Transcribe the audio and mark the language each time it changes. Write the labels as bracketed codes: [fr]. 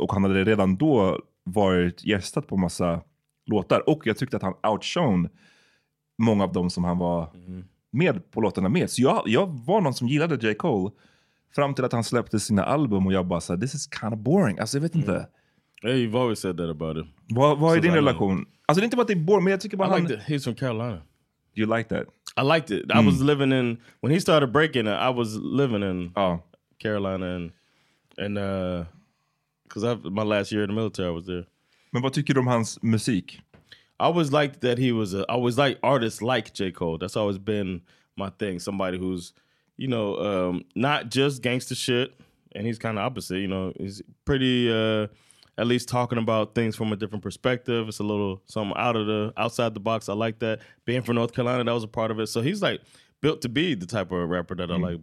[sv] Och han hade redan då varit gästat på massa låtar, och jag tyckte att han outshone många av dem som han var med på låtarna med. Så jag var någon som gillade J. Cole fram till att han släppte sina album, och jag bara sa, [en] this is kind of boring. [sv] Alltså jag vet inte. [en] Hey, you've always said that about him. [sv] Vad är din relation? Alltså det är inte bara att det är boring, men jag tycker bara [en] he's from Carolina. You like that? I liked it. I was living in, when he started breaking, I was living in Carolina, and because my last year in the military, I was there. [sv] Men vad tycker du om hans musik? [en] I always liked that he was, I always liked artists like J. Cole. That's always been my thing. Somebody who's, you know, not just gangster shit, and he's kind of opposite, you know. He's pretty, at least talking about things from a different perspective. It's a little something outside the box. I like that. Being from North Carolina, that was a part of it. So he's like built to be the type of rapper that I like.